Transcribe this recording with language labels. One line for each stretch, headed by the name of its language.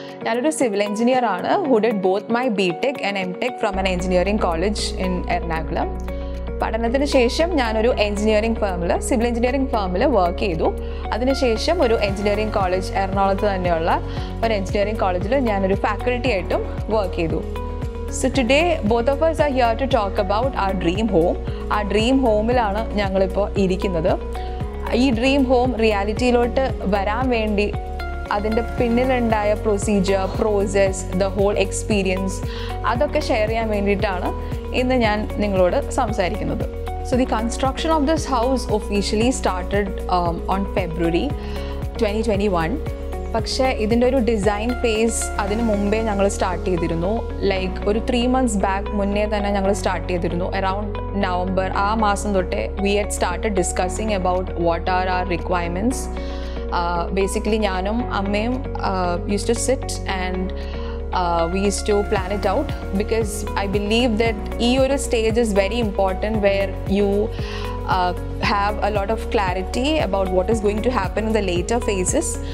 English: I am a civil engineer who did both my B.Tech and M.Tech from an engineering college in Ernakulam.
Malayalam: പഠനത്തിന് ശേഷം ഞാനൊരു engineering ഫേമിൽ civil engineering ഫേമിൽ work ചെയ്തു. അതിനുശേഷം ഒരു engineering college എറണാകുളത്ത് തന്നെയുള്ള ഒരു എഞ്ചിനീയറിംഗ് കോളേജിൽ ഞാനൊരു ഫാക്കൽറ്റി ആയിട്ടും വർക്ക് ചെയ്തു.
English: So today both of us are here to talk about ആ dream home.
Malayalam: ആ ഡ്രീം ഹോമിലാണ് ഞങ്ങളിപ്പോൾ ഇരിക്കുന്നത്. ഈ ഡ്രീം ഹോം റിയാലിറ്റിയിലോട്ട് വരാൻ വേണ്ടി അതിൻ്റെ പിന്നിലുണ്ടായ procedure, process,
English: the whole experience
Malayalam: അതൊക്കെ ഷെയർ ചെയ്യാൻ വേണ്ടിയിട്ടാണ് ഇന്ന് ഞാൻ നിങ്ങളോട് സംസാരിക്കുന്നത്.
English: So the construction of this house officially started on February 2021.
Malayalam: പക്ഷേ ഇതിൻ്റെ ഒരു ഡിസൈൻ ഫേസ് അതിന് മുമ്പേ ഞങ്ങൾ സ്റ്റാർട്ട് ചെയ്തിരുന്നു. ലൈക്ക് ഒരു 3 മന്ത്സ് ബാക്ക് മുന്നേ തന്നെ ഞങ്ങൾ സ്റ്റാർട്ട് ചെയ്തിരുന്നു. അറൌണ്ട് നവംബർ ആ മാസം തൊട്ടേ
English: We had started discussing about what are our requirements. Basically
Malayalam: ഞാനും അമ്മയും
English: Use to sit and we used to plan it out because I believe that ee stage is very important where you have a lot of clarity about what is going to happen in the later phases.